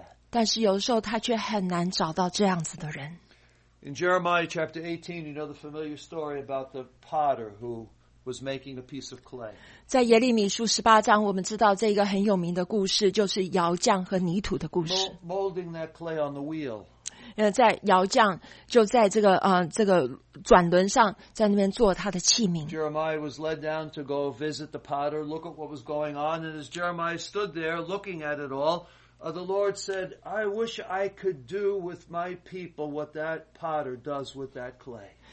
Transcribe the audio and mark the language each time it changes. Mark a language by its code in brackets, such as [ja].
[zh] 但是有时候他却很难找到这样子的人。 [en] In Jeremiah chapter 18, you know the familiar story about the potter who was making a piece of clay. [zh] 在耶利米书十八章，我们知道这个很有名的故事，就是窑匠和泥土的故事。 [en] Molding that clay on the wheel. [zh] 在窑匠就在这个转轮上，在那边做他的器皿。 [en] Jeremiah was led down to go visit the potter, look at what was going on, and as Jeremiah stood there looking at it all, the Lord said, "I wish I could do with my people what that potter does with that clay."